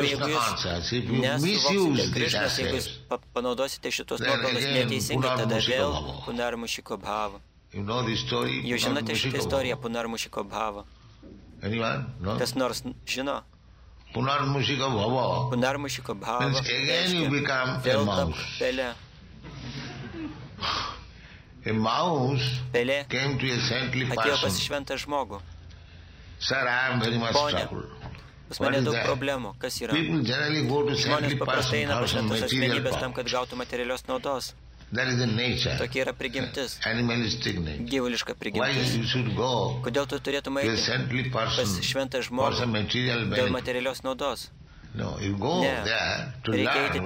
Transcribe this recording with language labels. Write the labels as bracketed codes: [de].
[en] Krishna conscious, if you misuse these assets, [lt] jeigu jūs panaudosite šitos nuopelnus neteisingai, tada vėl [sa] punarmušiko bhava. [en] You know the story? [lt] Jūs žinote šitą istoriją [sa] punarmušiko bhava. [en] Anyone? No? [lt] Kas nors žino? [sa] Punarmušika bhava. [en] Means again you become a mouse. [lt] Pele. [en] A mouse [lt] pele [en] came to a saintly person. [lt] Atėjo pas šventą žmogų. [en] Sir, I am very much [lt] Pone, [en] troubled. [lt] Pas mane daug problemų. Kas yra? [en] People generally go to saintly person for some material purpose. [lt] Tam, kad gautų materialios naudos. [en] That is the nature. [lt] Tokia yra prigimtis. [en] Animalistic nature. [lt] Gyvuliška prigimtis. [en] Why you should go? [lt] Kodėl tu turėtum eiti? [en] A saintly person. [lt] Pas šventą žmogų. [en] For some material benefit. [lt] Dėl materialios naudos. [en] No, you go there to learn what